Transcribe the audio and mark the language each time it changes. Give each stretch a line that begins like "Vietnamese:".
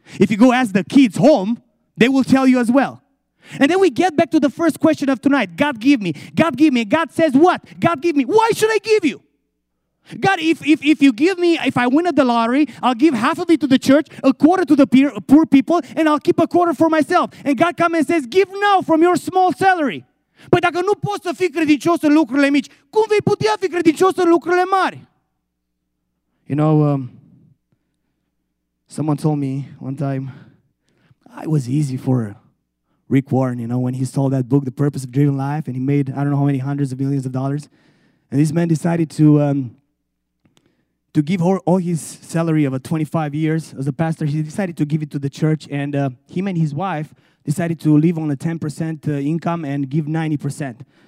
English: If you go ask the kids home, they will tell you as well. And then we get back to the first question of tonight. God give me. God give me. God says what? God give me. Why should I give you? God, if you give me, if I win at the lottery, I'll give half of it to the church, a quarter to the poor people, and I'll keep a quarter for myself. And God comes and says, give now from your small salary.
Romanian: Păi dacă nu poți să fii credincios în lucrurile mici, cum vei putea fi credincios în lucrurile mari?
English: You know, someone told me one time, I was easy for Rick Warren, you know, when he sold that book, The Purpose of Driven Life, and he made, I don't know how many hundreds of millions of dollars. And this man decided to give all his salary of 25 years as a pastor, he decided to give it to the church, and him and his wife decided to live on a 10% income and give 90%.